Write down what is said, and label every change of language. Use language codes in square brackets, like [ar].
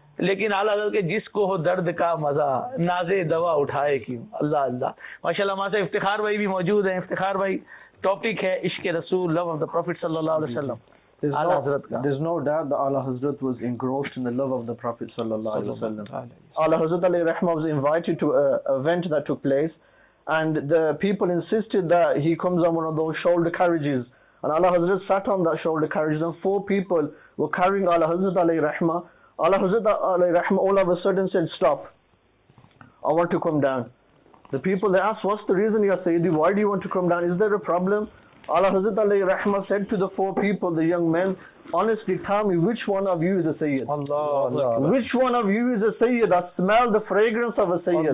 [ur] لیکن اعلیٰ حضرت کے جس کو ہو درد کا مزہ ناز دوا اٹھائے کیوں. اللہ اللہ, ماشاءاللہ ہمارے افتخار بھائی بھی موجود ہیں. افتخار بھائی, ٹاپک ہے عشق رسول, [en] love of the prophet [ur] صلی اللہ علیہ وسلم. [en] اعلیٰ حضرت کا there is no doubt the Ala Hazrat was engrossed in the love of the prophet صلی اللہ علیہ وسلم. اعلیٰ حضرت علیہ الرحمہ was invited to a event that took place and the people insisted that he comes on one of those shoulder carriages and Ala Hazrat sat on that shoulder carriages and four people were carrying Ala Hazrat علیہ الرحمہ. Allah Hazrat alayhi rahma all of a sudden said, stop, I want to come down. The people, they asked, what's the reason, Ya Sayyidi, why do you want to come down? Is there a problem? Allah Hazrat alayhi rahma said to the four people, the young men, honestly, tell me, which one of you is a Sayyid? Allah, which Allah. One of you is a Sayyid? I smell the fragrance of a Sayyid.